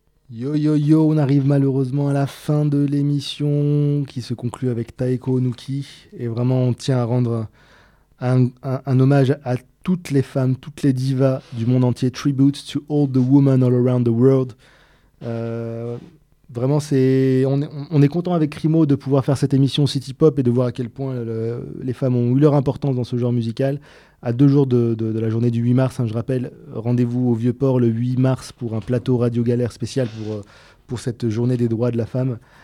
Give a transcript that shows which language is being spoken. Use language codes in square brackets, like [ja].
[fr] yo yo, on arrive malheureusement à la fin de l'émission qui se conclut avec Taeko Onuki. Et vraiment, on tient à rendre un hommage à toutes les femmes, toutes les divas du monde entier. [en] Tribute to all the women all around the world. [fr] Vraiment, on est content avec Krimo de pouvoir faire cette émission City Pop et de voir à quel point les femmes ont eu leur importance dans ce genre musical. À deux jours de la journée du 8 mars, hein, je rappelle, rendez-vous au Vieux-Port le 8 mars pour un plateau Radio Galère spécial pour cette journée des droits de la femme.